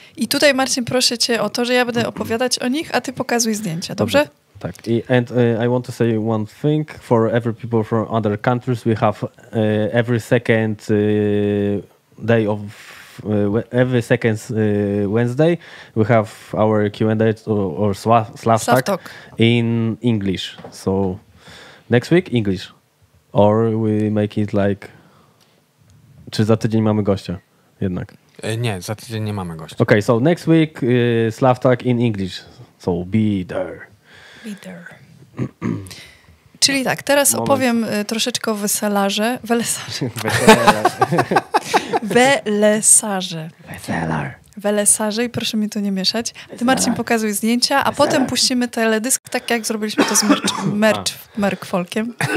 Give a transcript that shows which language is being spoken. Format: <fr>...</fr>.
<pl>I tutaj, Marcin, proszę cię o to, że ja będę opowiadać o nich, a ty pokazuj zdjęcia, dobrze? Tak.</pl> <en>And I want to say one thing for every people from other countries. We have every second day of every second Wednesday we have our Q&A or Slav talk in English. So next week English. Or we make it like...</en> <pl>Czy za tydzień mamy gościa jednak? Nie, za tydzień nie mamy gościa.</pl> <en>Okay, so next week Slav talk in English. So be there. Be there.</en> <pl>Czyli tak, teraz moment. Opowiem troszeczkę o weselarze. Welesarze. Welesarze. Weselar. Welesarze i proszę mi tu nie mieszać. Ty, Marcin, pokazuj zdjęcia, a weselar. Potem puścimy teledysk, tak jak zrobiliśmy to z Merch Folkiem.</pl>